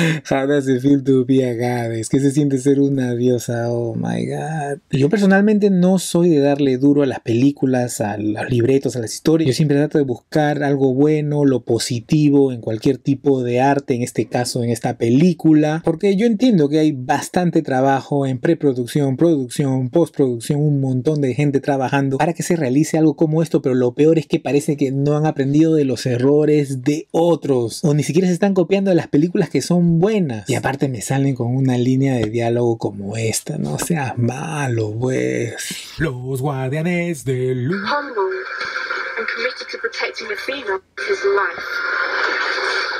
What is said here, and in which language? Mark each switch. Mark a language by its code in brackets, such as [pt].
[en] How does it feel to be a goddess? [es] ¿Qué se siente ser una diosa? [en] Oh my god. [es] Yo personalmente no soy de darle duro a las películas, a los libretos, a las historias. Yo siempre trato de buscar algo bueno, lo positivo en cualquier tipo de arte, en este caso en esta película, porque yo entiendo que hay bastante trabajo en preproducción, producción, postproducción, un montón de gente trabajando para que se realice algo como esto, pero lo peor es que parece que no han aprendido de los errores de otros, o ni siquiera se están copiando de las películas que son buenas. Y aparte me salen con una línea de diálogo como esta. No seas malo, pues. Los guardianes del luz. [en] Humble and committed to protecting Athena, his life.